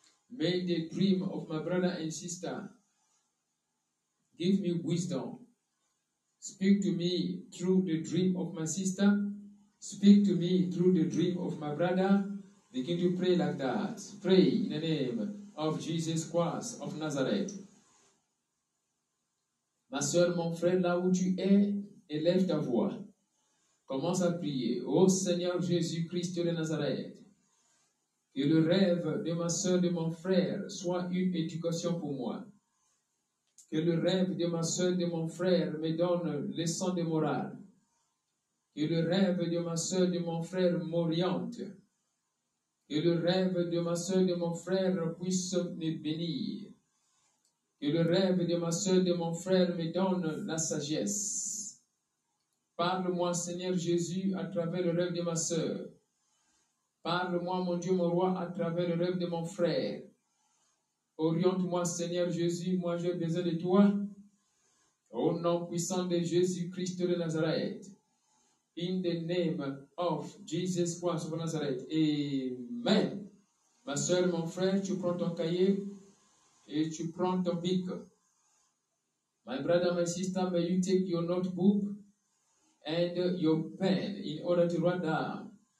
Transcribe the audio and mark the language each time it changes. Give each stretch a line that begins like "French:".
English: May the dream of my brother and sister give me wisdom. Speak to me through the dream of my sister. Speak to me through the dream of my brother. Begin to pray like that. Pray in the name of Jesus Christ of Nazareth.
French: Ma soeur, mon frère, là où tu es, élève ta voix. Commence à prier. Ô Seigneur Jésus-Christ de Nazareth, que le rêve de ma soeur, de mon frère, soit une éducation pour moi. Que le rêve de ma soeur, de mon frère, me donne leçon de morale. Que le rêve de ma soeur, de mon frère, m'oriente. Que le rêve de ma soeur, de mon frère, puisse me bénir. Que le rêve de ma soeur, de mon frère, me donne la sagesse. Parle-moi, Seigneur Jésus, à travers le rêve de ma sœur. Parle-moi, mon Dieu, mon roi, à travers le rêve de mon frère. Oriente-moi, Seigneur Jésus, moi j'ai besoin de toi. Au nom puissant de Jésus-Christ de Nazareth.
English: In the name of Jesus Christ of Nazareth. Amen.
French: Ma sœur, mon frère, tu prends ton cahier et tu prends ton bic.
English: My brother, my sister, may you take your notebook and your pen in order to write down.